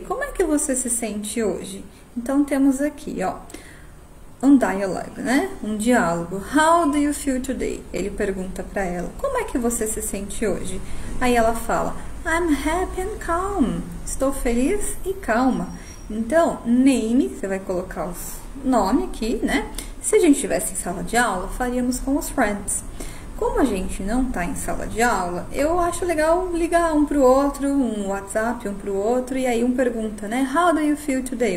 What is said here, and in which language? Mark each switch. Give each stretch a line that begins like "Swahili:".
Portuguese: Como é que você se sente hoje? Então, temos aqui, ó. Um dialogue, né? Um diálogo.
English: How do you feel today?
Portuguese: Ele pergunta pra ela, como é que você se sente hoje? Aí ela fala,
English: I'm happy and calm.
Portuguese: Estou feliz e calma. Então, name, você vai colocar o nome aqui, né? Se a gente estivesse em sala de aula, faríamos com os friends. Como a gente não tá em sala de aula, eu acho legal ligar um pro outro, um WhatsApp um pro outro, e aí um pergunta, né?
English: How do you feel today?